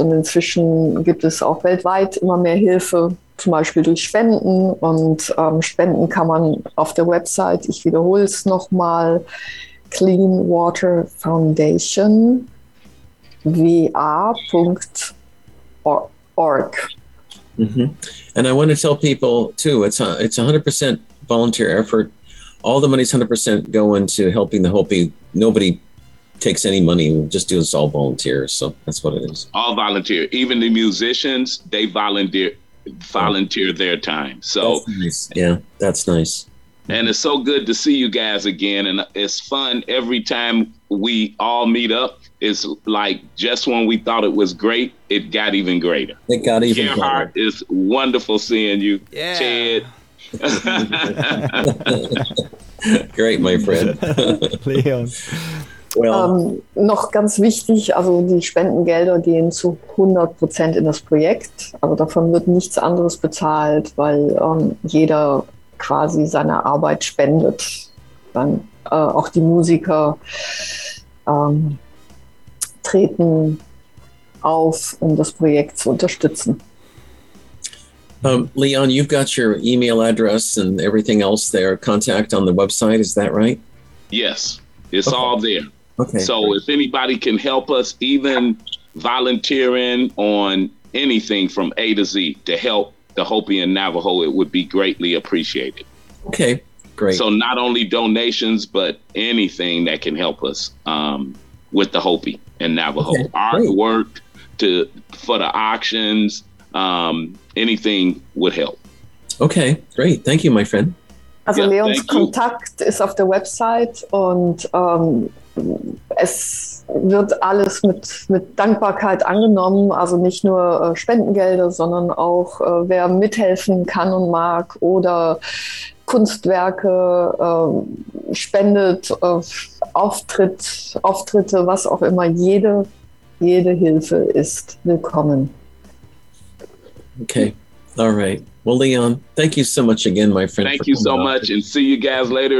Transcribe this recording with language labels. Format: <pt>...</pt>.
<de>Und inzwischen gibt es auch weltweit immer mehr Hilfe, zum Beispiel durch Spenden. Und Spenden kann man auf der Website, ich wiederhole es nochmal, Clean Water Foundation, va.org. Mm-hmm.</de> <en>And I want to tell people too, it's 100% volunteer effort. All the money's 100% going to helping the Hopi. Nobody takes any money. We just do this all volunteers. So that's what it is. All volunteer. Even the musicians, they volunteer their time. So that's nice. Yeah, that's nice. And it's so good to see you guys again. And it's fun every time we all meet up. It's just when we thought it was great, it got even greater. It got even greater. Gerhard, it's wonderful seeing you. Yeah. Ted. Great, my friend. Leon. Well.</en> <de>Noch ganz wichtig, also die Spendengelder gehen zu 100% in das Projekt. Also davon wird nichts anderes bezahlt, weil jeder quasi seine Arbeit spendet. Dann auch die Musiker treten auf, das Projekt zu unterstützen.</de> <en>Leon, you've got your email address and everything else there. Contact on the website, is that right? Yes, it's all there. Okay. So if anybody can help us, even volunteering on anything from A to Z to help the Hopi and Navajo, it would be greatly appreciated. Okay, great. So not only donations, but anything that can help us with the Hopi and Navajo. Okay, artwork to for the auctions, anything would help. Okay, great. Thank you, my friend.</en> <de>Also</de> <en>yeah, Leon's contact you.</en> <de>Ist auf der Website und es wird alles mit Dankbarkeit angenommen, also nicht nur Spendengelder, sondern auch wer mithelfen kann und mag oder Kunstwerke spendet, Auftritte, was auch immer, jede Hilfe ist willkommen.</de> <en>Okay, all right. Well, Leon, thank you so much again, my friend. Thank you so much, and see you guys later.</en>